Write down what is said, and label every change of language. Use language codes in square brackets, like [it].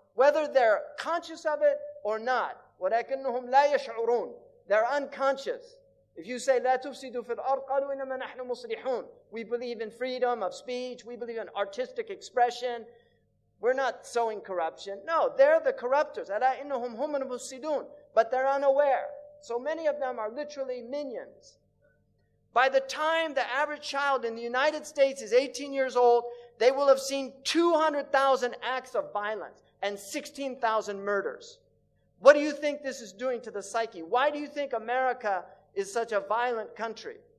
[en] Whether they're conscious of it or not, [ar] وَلَكِنُّهُمْ لَا يَشْعُرُونَ [en] they're unconscious. If you say, [ar] لَا تُفْسِدُوا فِي الْأَرْضِ قَالُوا إِنَّمَا نَحْنُ مُصْلِحُونَ [en] we believe in freedom of speech, we believe in artistic expression, we're not sowing corruption. No, they're the corruptors. [ar] أَلَا إِنَّهُمْ هُمْ مُصْلِحُونَ [en] but they're unaware. So many of them are literally minions. By the time the average child in the United States is 18 years old, they will have seen 200,000 acts of violence and 16,000 murders. What do you think this is doing to the psyche? Why do you think America is such a violent country?